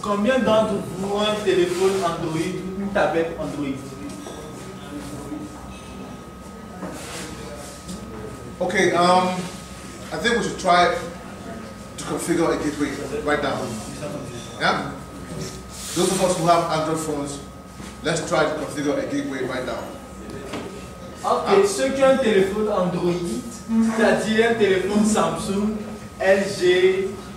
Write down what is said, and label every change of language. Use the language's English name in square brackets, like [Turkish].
[French] Combien d'entre vous ont un téléphone Android ou une tablette Android? [English] Okay. I think we should try to configure a gateway right now. Yeah. Those of us who have Android phones, let's try to configure a gateway right now. [French] Okay, ceux qui ont un téléphone Android, c'est-à-dire un téléphone Samsung, LG,